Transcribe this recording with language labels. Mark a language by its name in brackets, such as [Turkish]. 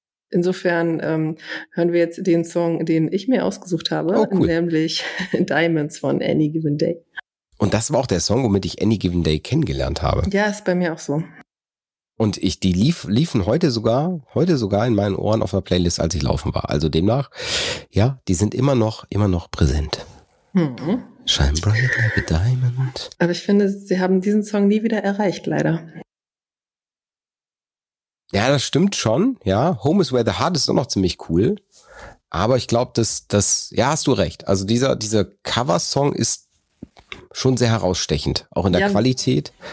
[German] Insofern hören wir jetzt den Song, den ich mir ausgesucht habe, nämlich Diamonds von Any Given Day. Und das war auch der Song, womit ich Any Given Day kennengelernt habe. Ja, ist bei mir auch so. Und die liefen heute sogar in meinen Ohren auf der Playlist, als ich laufen war. Also demnach, ja, die sind immer noch präsent. [English] Shine bright like a diamond. [German] Aber ich finde, sie haben diesen Song nie wieder erreicht, leider. Ja, das stimmt schon. Ja, Home is Where the Heart ist auch noch ziemlich cool. Aber ich glaube, das, hast du recht. Also dieser Cover-Song ist schon sehr herausstechend, auch in der Qualität.